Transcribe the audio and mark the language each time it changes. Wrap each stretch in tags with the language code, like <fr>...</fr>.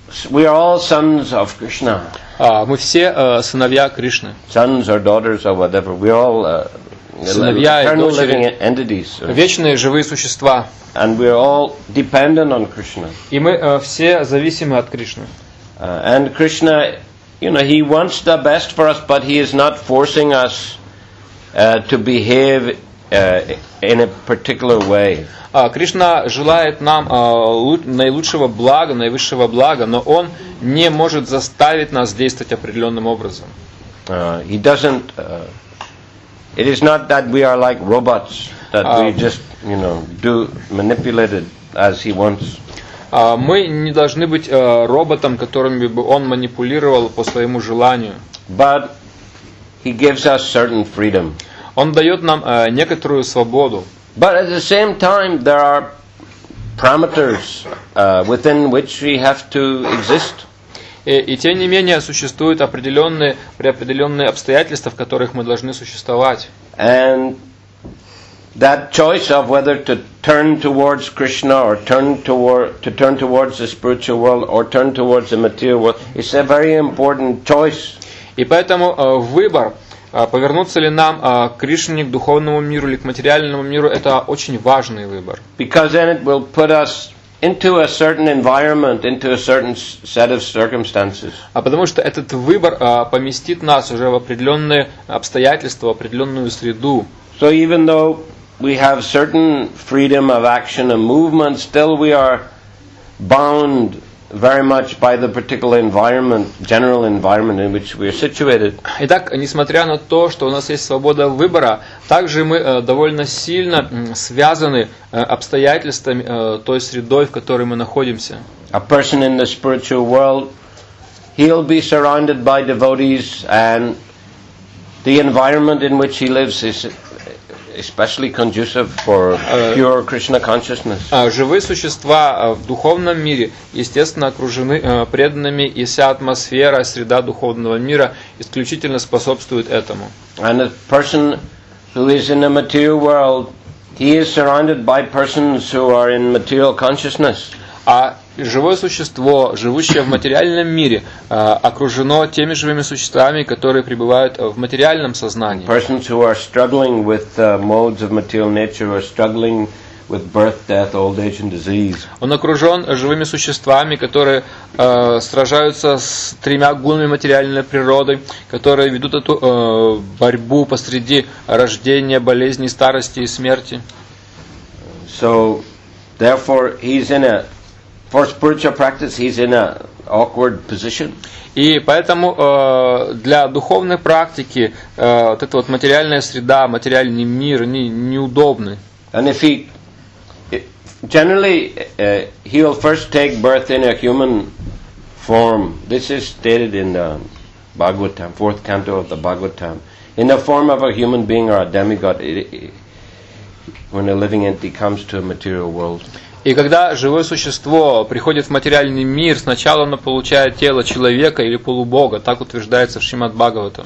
<en>We are all sons of Krishna.</en> <ru>Мы все сыновья Кришны.</ru> <en>Sons or daughters or whatever. We are all</en> <ru>сыновья и</ru> <en>eternal living entities.</en> <ru>Вечные живые существа.</ru> <en>And we are all dependent on Krishna.</en> <ru>И мы все зависимы от Кришны.</ru> <en>And Krishna, you know, he wants the best for us, but he is not forcing us to behave in a particular way.</en> <ru>Кришна желает нам наилучшего блага, наивысшего блага, но он не может заставить нас действовать определенным образом.</ru> <en>He doesn't. It is not that we are like robots, that we just, you know, do manipulated as he wants.</en> <ru>Мы не должны быть роботом, которым бы он манипулировал по своему желанию.</ru> <en>But he gives us certain freedom.</en> <ru>Он дает нам некоторую свободу.</ru> <en>But at the same time, there are parameters within which we have to exist.</en> <ru>И тем не менее существуют определенные обстоятельства, в которых мы должны существовать.</ru> <en>And that choice of whether to turn towards Krishna or turn towards the spiritual world or turn towards the material world is a very important choice.</en> <ru>И поэтому выбор повернуться ли нам к Кришне, к духовному миру или к материальному миру, это очень важный выбор.</ru> <en>Because then it will put us into a certain environment, into a certain set of circumstances.</en> <ru>А потому что этот выбор поместит нас уже в определенные обстоятельства, в определенную среду.</ru> <en>So even though we have certain freedom of action and movement, still we are bound very much by the particular environment, general environment in which we are situated.</en> <ru>Итак, несмотря на то, что у нас есть свобода выбора, также мы довольно сильно связаны обстоятельствами той средой, в которой мы находимся.</ru> <en>A person in the spiritual world, he'll be surrounded by devotees, and the environment in which he lives is especially conducive for pure Krishna consciousness.</en> <ru>Живые существа в духовном мире, естественно, окружены преданными, и вся атмосфера, среда духовного мира исключительно способствует этому.</ru> <en>And a person who is in the material world, he is surrounded by persons who are in material consciousness.</en> <ru>А живое существо, живущее в материальном мире, окружено теми живыми существами, которые пребывают в материальном сознании.</ru> <en>Persons who are struggling with modes of material nature are struggling with birth, death, old age and disease.</en> <ru>Он окружен живыми существами, которые сражаются с тремя гунами материальной природы, которые ведут эту борьбу посреди рождения, болезни, старости и смерти.</ru> <en>So, therefore, he's in a for spiritual practice, he's in an awkward position.</en> <ru>И поэтому для духовной практики вот эта вот материальная среда, материальный мир, они неудобны.</ru> <en>And if he, generally he will first take birth in a human form. This is stated in the Bhagavatam, fourth canto of the Bhagavatam, in the form of a human being or a demigod. When a living entity comes to a material world.</en> <ru>И когда живое существо приходит в материальный мир, сначала оно получает тело человека или полубога, так утверждается в Шримад-Бхагаватам.</ru>